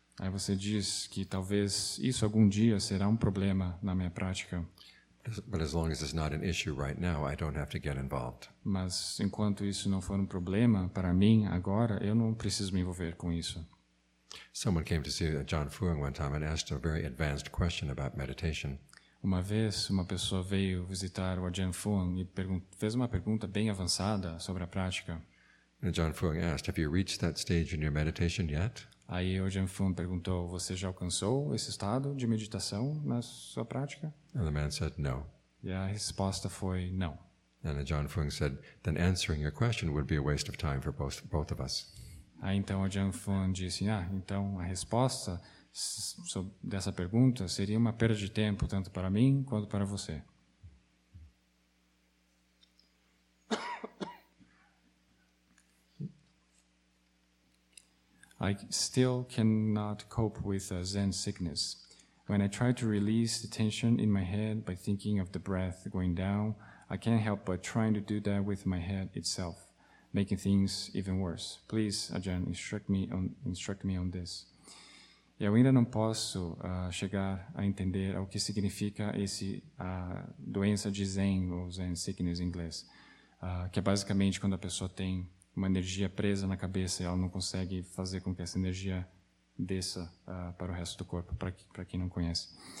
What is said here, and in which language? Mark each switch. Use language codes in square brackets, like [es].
[pt] Aí você diz que talvez isso algum dia será problema na minha prática. [en] But as long as it's not an issue right now, I don't have to get involved. [pt] Mas enquanto isso não for problema para mim agora, eu não preciso me envolver com isso. [en] Someone came to see John Fuang one time and asked a very advanced question about meditation. [pt] Uma vez uma pessoa veio visitar o Ajahn Fuang e fez uma pergunta bem avançada sobre a prática. [en] And John Fuang asked, "Have you reached that stage in your meditation yet?" [pt] Aí o Ajahn Fuang perguntou, "Você já alcançou esse estado de meditação na sua prática?" [en] And the man said, "No." [pt] E a resposta foi não. [en] And John Fuang said, "Then answering your question would be a waste of time for both of us." [pt] Aí então o Ajahn Fuang disse, "Ah, então a resposta dessa pergunta seria uma perda de tempo tanto para mim quanto para você." [en] I still cannot cope with a Zen sickness. When I try to release the tension in my head by thinking of the breath going down, I can't help but trying to do that with my head itself, making things even worse. Please, Ajahn, instruct me on this. [pt] Eu ainda não posso chegar a entender o que significa esse doença de Zen, ou Zen sickness em inglês, que é basicamente quando a pessoa tem uma energia presa na cabeça e ela não consegue fazer com que essa energia desça para o resto do corpo, para quem não conhece.